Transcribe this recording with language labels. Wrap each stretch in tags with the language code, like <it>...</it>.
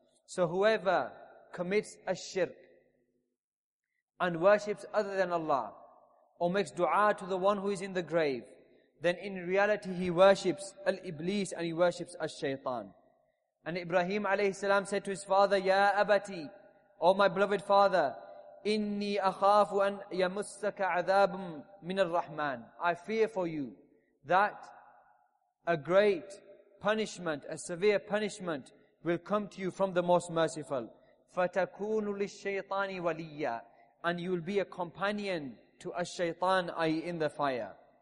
<en>So whoever commits a shirk and worships other than Allah, or makes dua to the one who is in the grave, then in reality he worships al-Iblis and he worships al-Shaytan. And Ibrahim alayhi salam said to his father,</en> <ar>Ya Abati,</ar> <en>O my beloved father,</en> <ar>إني أخاف أن يمسك عذاب من الرحمن.</ar> <en>I fear for you that a great punishment, a severe punishment will come to you from the Most Merciful.</en> <ar>فَتَكُونُ لِلشَّيْطَانِ وَلِيَّا.</ar> <en>And you will be a companion to a shaytan, i.e. in the fire.</en>